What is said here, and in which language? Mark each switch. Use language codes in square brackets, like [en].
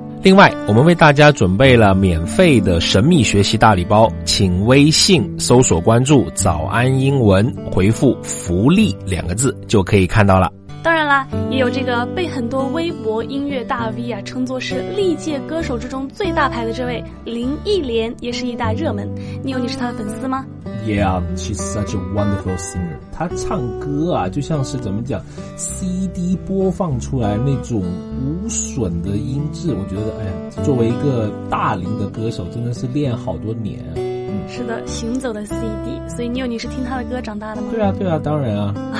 [zh] 另外我们为大家准备了免费的神秘学习大礼包，请微信搜索关注早安英文，回复福利两个字就可以看到了。当然啦，也有这个被很多微博音乐大 V 啊称作是历届歌手之中最大牌的这位林忆莲，也是一大热门。你是他的粉丝吗？ [en] Yeah, she's such a wonderful singer. [zh] 他唱歌啊就像是怎么讲 CD 播放出来那种无损的音质，我觉得哎呀，作为一个大龄的歌手真的是练好多年。是的，行走的 CD。所以你是听他的歌长大的吗？对啊对啊，当然啊。